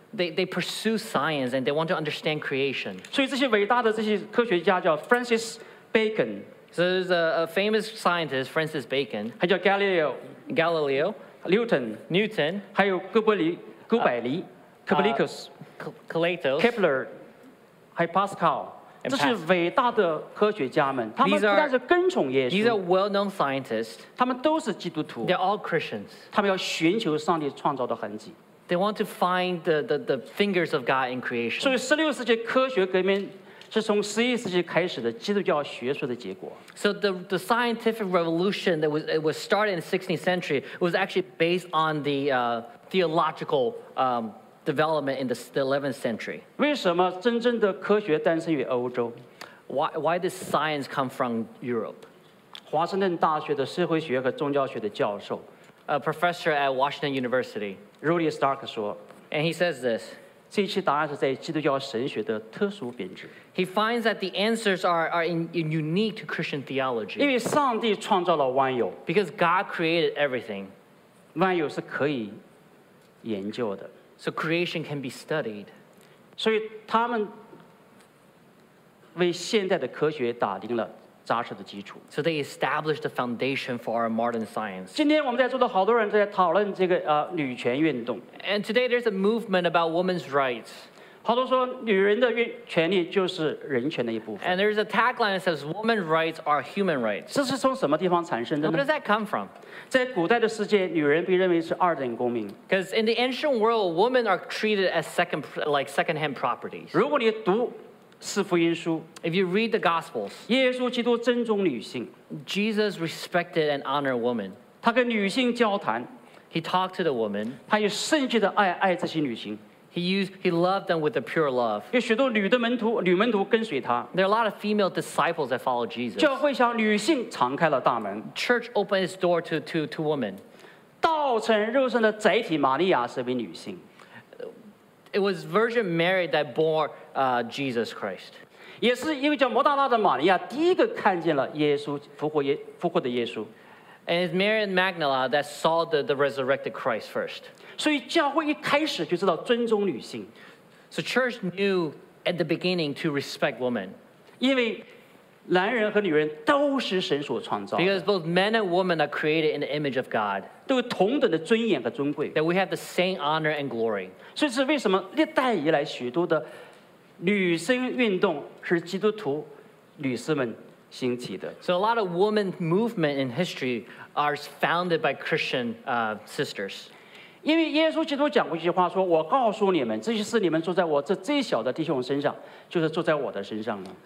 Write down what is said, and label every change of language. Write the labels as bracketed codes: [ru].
[en] They pursue science and they want to understand creation. So these [zh] 伟大的这些科学家叫 Francis Bacon. [en] So there's a famous scientist Francis Bacon. [zh] 还叫 Galileo. [en] Galileo. Newton. Newton. [zh] 还有哥白尼 Copernicus. [en] Plato. [zh] Kepler. 还有 Pascal. 这是伟大的科学家们。他们不但是跟从耶稣。 [en] These are well-known scientists. [zh] 他们都是基督徒。 [en] They're all Christians. [zh] 他们要寻求上帝创造的痕迹。 [en] They want to find the fingers of God in creation. [zh] 所以十六世纪科学革命是从十一世纪开始的基督教学术的结果。 [en] So the scientific revolution that was started in the 16th century was actually based on the theological development in the 11th century. [zh] 为什么真正的科学诞生于欧洲？ [en] Why does science come from Europe? [zh] 华盛顿大学的社会学和宗教学的教授。 [en] A professor at Washington University, [zh] Rudy Stark, 说 [en] and he says this. [zh] 这些答案是在基督教神学的特殊编制 [en] He finds that the answers are in unique to Christian theology. [zh] 因为上帝创造了万有 [en] because God created everything. [zh] 万有是可以研究的 [en] so creation can be studied. [zh] 所以他们为现代的科学打定了。 [en] So they established the foundation for our modern science. [zh] 今天我们在座的好多人在讨论这个女权运动。 [en] And today there's a movement about women's rights. [zh] 好多说女人的权利就是人权的一部分。 [en] And there's a tagline that says women's rights are human rights. [zh] 这是从什么地方产生的呢？ [en] Where does that come from? [zh] 在古代的世界，女人被认为是二等公民。 [en] Because in the ancient world, women are treated as second-hand properties. [zh] 如果你读四福音书 [en] If you read the Gospels, [zh] 耶稣基督尊重女性 [en] Jesus respected and honored women. [zh] 他跟女性交谈 [en] He talked to the woman. [zh] 他用圣洁的爱爱这些女性 [en] He loved them with a pure love. [zh] 有许多女门徒跟随他 [en] There are a lot of female disciples that follow Jesus. [zh] 教会向女性敞开了大门 [en] Church opened its door to women. [zh] 道成肉身的载体玛利亚是为女性 [en] It was Virgin Mary that bore Jesus Christ. [zh] 也是一个叫摩大拉的玛利亚第一个看见了耶稣复活的耶稣。 [en] And it's Mary and Magdala that saw the resurrected Christ first. [zh] 所以教会一开始就知道尊重女性。 [en] So church knew at the beginning to respect women. [zh] 因为男人和女人都是神所创造的。 [en] Because both men and women are created in the image of God. [zh] 都有同等的尊严和尊贵。 [en] That we have the same honor and glory. [zh] 所以是为什么历代以来许多的女生运动是基督徒女士们兴起的。 [en] So a lot of women movement in history are founded by Christian sisters. [zh] 因为耶稣基督讲过一句话说我告诉你们这些事你们做在我这最小的弟兄身上就是做在我的身上了。